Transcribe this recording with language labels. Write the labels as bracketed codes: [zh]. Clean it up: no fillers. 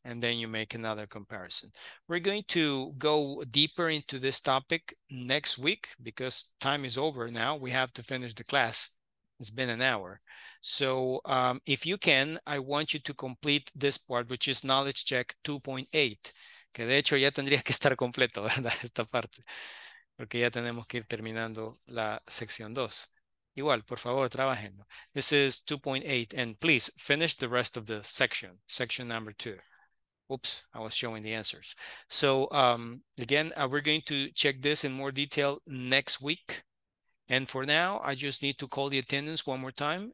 [en] And then you make another comparison. We're going to go deeper into this topic next week because time is over now. We have to finish the class. It's been an hour. So if you can, I want you to complete this part, which is knowledge check 2.8. [es] Que de hecho ya tendría que estar completo, ¿verdad? Esta parte. Porque ya tenemos que ir terminando la sección 2. Igual, por favor, trabajenlo. [en] This is 2.8. And please finish the rest of the section. Section number 2. Oops, I was showing the answers. So again, we're going to check this in more detail next week. And for now, I just need to call the attendance one more time.